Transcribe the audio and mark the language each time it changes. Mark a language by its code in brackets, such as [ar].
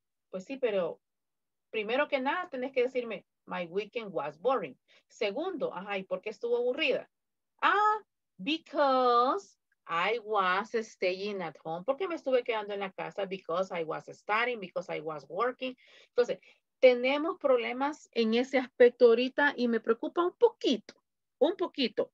[es] Pues sí, pero primero que nada tenés que decirme, [en] my weekend was boring. [es] Segundo, ajá, ¿y por qué estuvo aburrida? Ah, because... [en] I was staying at home. [es] ¿Por qué me estuve quedando en la casa? [en] Because I was studying, because I was working. [es] Entonces, tenemos problemas en ese aspecto ahorita y me preocupa un poquito.